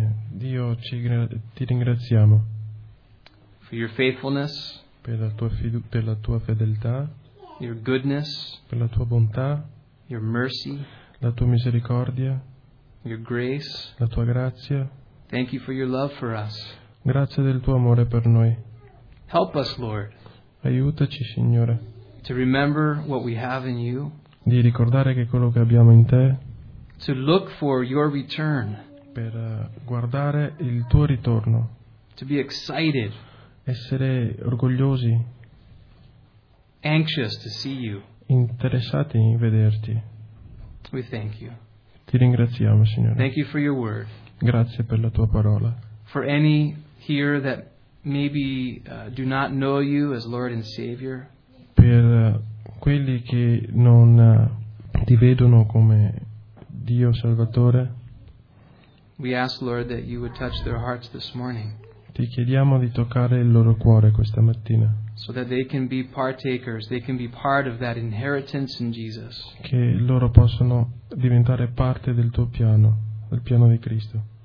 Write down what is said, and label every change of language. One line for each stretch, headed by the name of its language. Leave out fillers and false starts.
Italian: Dio, ti ringraziamo.
English: For your faithfulness.
Italian: Per la tua fedeltà.
English: Your goodness.
Italian: Per la tua bontà.
English: Your mercy.
Italian: La tua misericordia.
English: Your grace.
Italian: La tua grazia.
English: Thank you for your love for us.
Italian: Grazie del tuo amore per noi.
English: Help us, Lord.
Italian: Aiutaci, Signore.
English: To remember what we have in you.
Italian: Di ricordare che quello che abbiamo in te.
English: To look for your return.
Italian: Per guardare il tuo ritorno.
English: To be excited.
Italian: Essere orgogliosi.
English: Anxious to see you.
Italian: Interessati in vederti.
English: We thank you.
Italian: Ti ringraziamo, Signore.
English: Thank you for your word.
Italian: Grazie per la tua parola.
English: For any here that maybe do not know you as Lord and Savior.
Italian: Per quelli che non ti vedono come Dio Salvatore.
English: We ask, Lord, that you would touch their hearts this morning.
Italian: Ti chiediamo di toccare il loro cuore questa mattina.
English: So that they can be partakers, they can be part of that inheritance in Jesus.
Italian: Che loro possano diventare parte del tuo piano, del piano di Cristo.